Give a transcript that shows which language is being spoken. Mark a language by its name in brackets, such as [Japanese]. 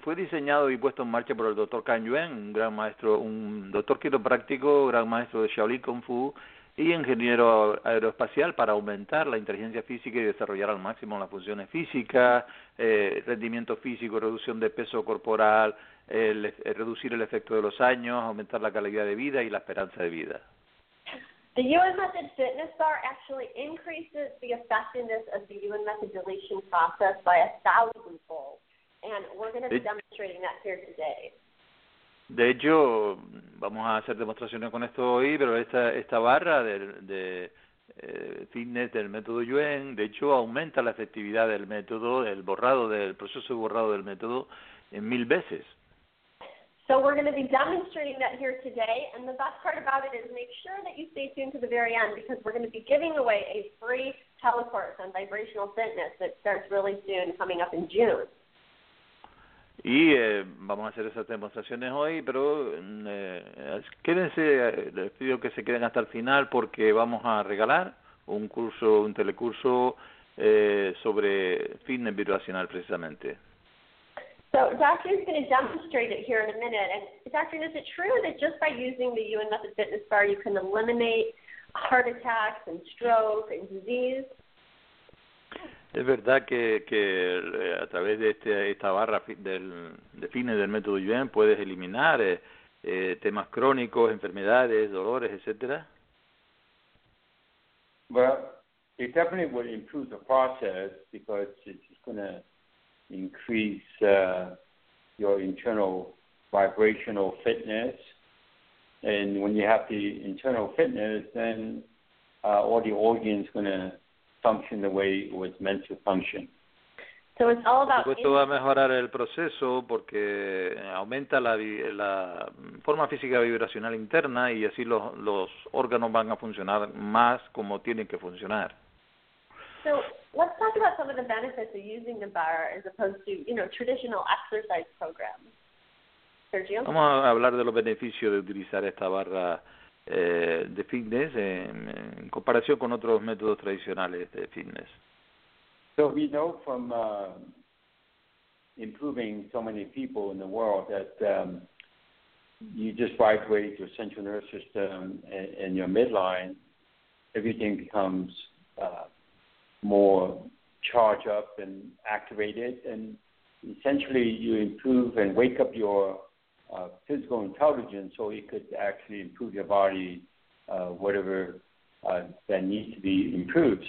[Spanish] Fue diseñado y puesto en marcha por el doctor Kan Yuen, un gran maestro, un doctor quiropráctico, gran maestro de Shaolin Kung Fu y ingeniero aeroespacial, para aumentar la inteligencia física y desarrollar al máximo las funciones físicas, rendimiento físico, reducción de peso corporal, reducir el efecto de los años, aumentar la calidad de vida y la esperanza de vida. [English] The Yuen Method Fitness Bar actually increases the effectiveness of the Yuen Method deletion process by 1,000-fold, and we're going to be demonstrating that here today. [Spanish] De hecho, vamos a hacer demostraciones con esto hoy, pero esta barra de fitness del método Yuen, de hecho, aumenta la efectividad del método, el borrado del proceso de borrado del método en 1,000 veces. [English] So we're going to be demonstrating that here today, and the best part about it is make sure that you stay tuned to the very end, because we're going to be giving away a free telecourse on vibrational fitness that starts really soon, coming up in June. [Spanish] Y vamos a hacer esas demostraciones hoy, pero quédense, les pido que se queden hasta el final, porque vamos a regalar un curso, un telecurso sobre fitness vibracional precisamente. [English] So Doctor is going to demonstrate it here in a minute. And Doctor, is it true that just by using the Yuen Method Fitness Bar, you can eliminate heart attacks and stroke and disease? [Spanish] Es verdad que a través de esta barra de fitness del método Yuen puedes eliminar temas crónicos, enfermedades, dolores, etcétera. [English] Well, it definitely will improve the process, because it's going to increase your internal vibrational fitness, and when you have the internal fitness, then all the organs going to function the way it was meant to function. So it's all about. [Spanish] Por supuesto, va a mejorar el proceso porque aumenta la forma física vibracional interna, y así los órganos van a funcionar más como tienen que funcionar. [English] So let's talk about some of the benefits of using the bar as opposed to, you know, traditional exercise programs. Sergio? [Spanish] Vamos a hablar de los beneficios de utilizar esta barra de fitness en comparación con otros métodos tradicionales de fitness. [English] So we know from improving so many people in the world that you just vibrate your central nervous system and your midline, everything becomes more charged up and activated, and essentially you improve and wake up your physical intelligence, so it could actually improve your body, whatever that needs to be improved.